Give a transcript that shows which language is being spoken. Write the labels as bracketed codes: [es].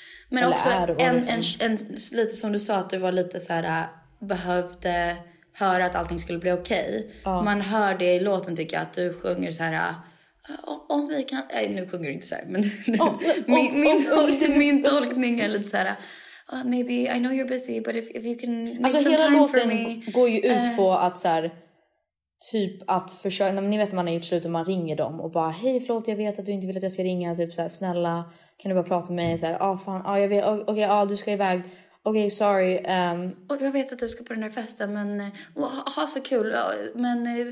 [sv] Men också en lite som du sa, att du var lite så här... Behövde höra att allting skulle bli okej. Okay. Ja. Man hör det i låten, tycker jag, att du sjunger så här... Om vi kan... Nej, nu sjunger du inte så här. Men min tolkning är lite så här... [en] maybe I know you're busy, but if you can make some time for me... [sv] Alltså, hela låten går ju ut på att så här... Typ att försöka, ni vet att man har gjort slut och man ringer dem och bara, hej förlåt, jag vet att du inte vill att jag ska ringa, typ så här, snälla, kan du bara prata med mig, så här, du ska iväg, sorry. Och jag vet att du ska på den här festen, men så kul, men